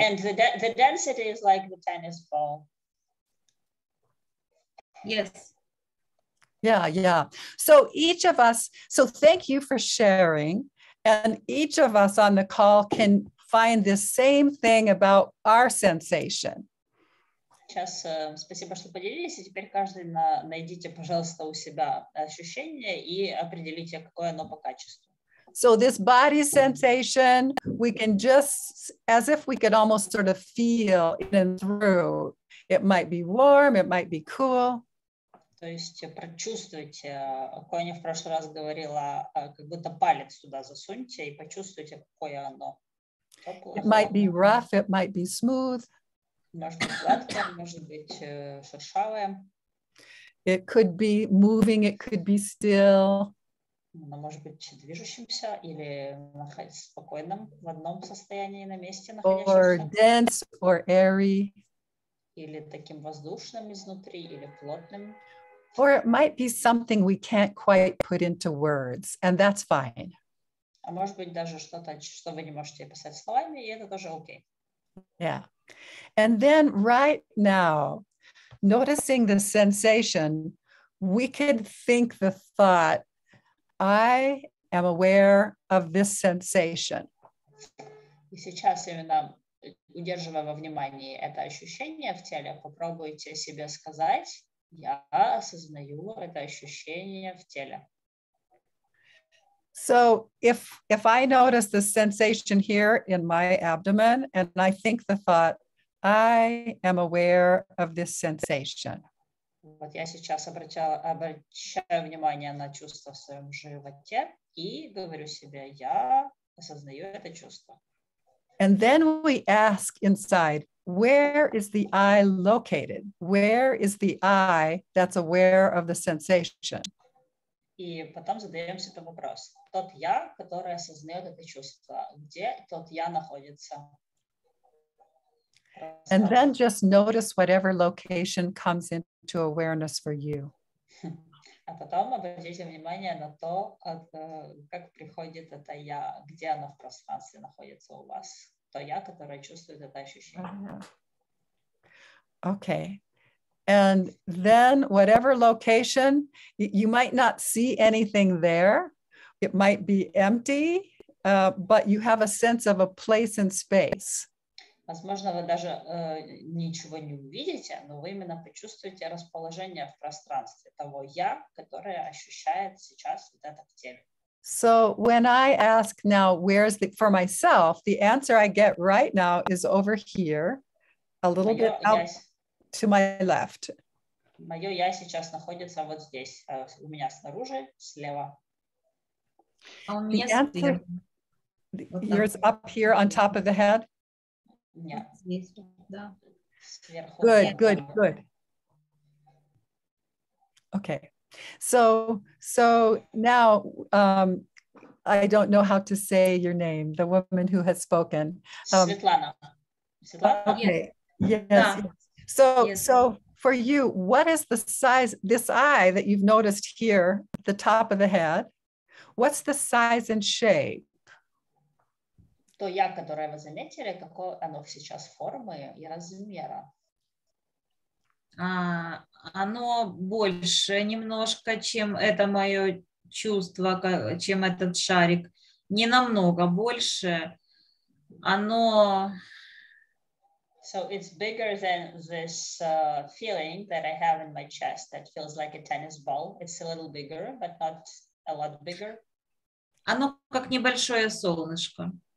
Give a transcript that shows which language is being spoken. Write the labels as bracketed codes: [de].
[en] And the density is like the tennis ball. Yes. Yeah. So each of us, so thank you for sharing. And each of us on the call can find the same thing about our sensation. [ru] Сейчас спасибо, что поделились. И теперь каждый найдите, пожалуйста, у себя ощущение и определите, какое оно по качеству. [en] So this body sensation, we can just, as if we could almost sort of feel in and through. It might be warm, it might be cool. [ru] То есть прочувствуйте, Коня в прошлый раз говорила, как будто палец сюда засуньте и почувствуйте, какое оно. [en] It might be rough, it might be smooth. [ru] Может быть гладкое, может быть шершавое. [en] It could be moving, it could be still. [ru] Оно может быть движущимся или спокойным в одном состоянии на месте находящимся. [en] Or dense, or airy. [ru] Или таким воздушным изнутри, или плотным. [en] Or it might be something we can't quite put into words, and that's fine. [ru] А может быть даже что-то, что вы не можете описать словами, и это тоже окей. [en] Yeah. And then right now, noticing the sensation, we could think the thought, I am aware of this sensation. [ru] И сейчас именно, удерживая во внимании это ощущение в теле, попробуйте себе сказать, я осознаю это ощущение в теле. [en] So if I notice the sensation here in my abdomen and I think the thought, I am aware of this sensation. [ru] Вот я сейчас обращаю внимание на чувство в своем животе и говорю себе, я осознаю это чувство. [en] And then we ask inside, where is the I located? Where is the I that's aware of the sensation? [ru] И потом задаемся этот вопрос. Тот я, который осознает это чувство, где тот я находится? [en] And then just notice whatever location comes into awareness for you. [ru] А потом обратите внимание на то, как приходит это я, где оно в пространстве находится у вас. То я, которое чувствует это ощущение. [en] Okay. And then whatever location, you might not see anything there. It might be empty. but you have a sense of a place and space. [ru] Возможно, вы даже ничего не увидите, но вы именно почувствуете расположение в пространстве того я, которое ощущает сейчас вот это в теле. [en] So when I ask now, where's the, for myself, the answer I get right now is over here, a little bit out to my left. [ru] Моё я сейчас находится вот здесь, у меня снаружи, слева. [en] The answer, yours up here on top of the head? Yeah. Good, good, good. Okay. So now I don't know how to say your name, the woman who has spoken. Svetlana. Okay. Yes. So for you, what is the size, this eye that you've noticed here, at the top of the head, what's the size and shape? [ru] То я, которое вы заметили, какое оно сейчас формы и размера? Оно больше немножко, чем это мое чувство, чем этот шарик. Не намного больше. Оно... [en] So it's bigger than this feeling that I have in my chest that feels like a tennis ball. It's a little bigger, but not a lot bigger. [ru] Оно как небольшое солнышко.